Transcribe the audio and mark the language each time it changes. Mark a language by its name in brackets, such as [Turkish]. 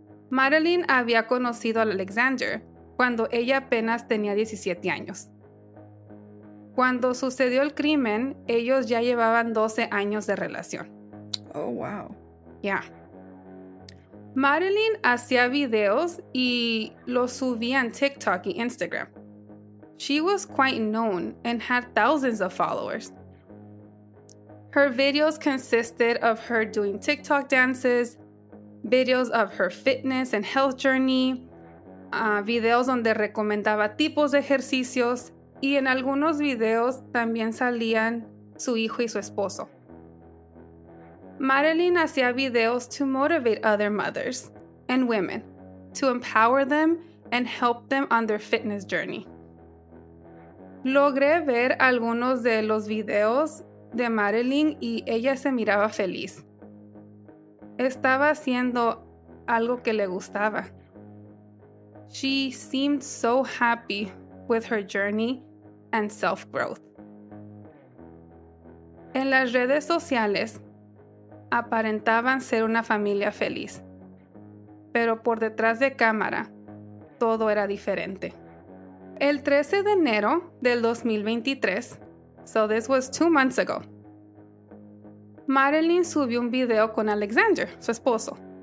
[Spanish] Marilyn había conocido a Alexander cuando ella apenas tenía 17 años. Cuando sucedió el crimen, ellos ya llevaban 12 años de relación. [English] Oh, wow. Yeah. [Spanish] Marilyn hacía videos y los subía en TikTok y Instagram. [English] She was quite known and had thousands of followers. Her videos consisted of her doing TikTok dances, videos of her fitness and health journey, videos [Spanish] donde recomendaba tipos de ejercicios, y en algunos videos también salían su hijo y su esposo. [English] Marilyn [Spanish] hacía videos [English] to motivate other mothers and women, to empower them and help them on their fitness journey. [Spanish] Logré ver algunos de los videos de Marilyn y ella se miraba feliz. Estaba haciendo algo que le gustaba. [English] She seemed so happy with her journey and self-growth. [Spanish] En las redes sociales, aparentaban ser una familia feliz. Pero por detrás de cámara, todo era diferente. El 13 de enero del 2023, [English] so this was 2 months ago, [Spanish] Marilyn subió un video con Alexander, su esposo.